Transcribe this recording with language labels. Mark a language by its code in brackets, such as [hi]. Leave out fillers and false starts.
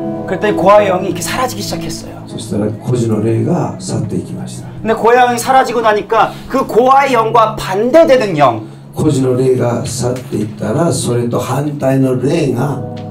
[ko] 그때 고아의 영이 이렇게 사라지기 시작했어요. [ja] そしたら孤児の霊が去っていきました。 [ko] 근데 고아의 영이 사라지고 나니까 그 고아의 영과 반대되는 영. [ja] 孤児の霊が去っていったらそれと反対の霊が